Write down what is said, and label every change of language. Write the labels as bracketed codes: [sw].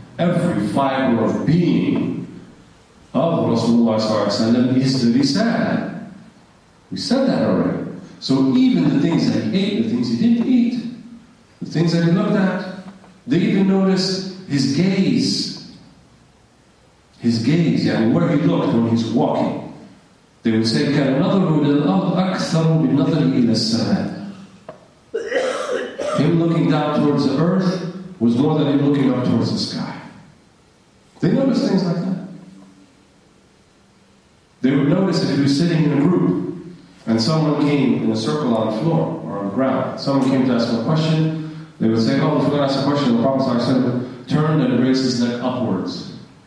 [en] Every fiber of being of Rasulullah is the lisan. We said that already. So even the things that he ate, the things he didn't eat, the things that he looked at, they even noticed his gaze. His gaze, yeah, where he looked when he's walking. [ar] They would say, كَانَ نَظَرُ لِلْأَرْضِ أَكْثَرُ بِالنَّظَرِ إِلَى السَّمَاءِ. [en] Him looking down towards the earth was more than him looking up towards the sky. They noticed things like that. They would notice if he was sitting in a group and someone came in a circle on the floor or on the ground, someone came to ask him a question, they would say, oh, if you're going to ask a question, the Prophet turned and raised his neck upwards.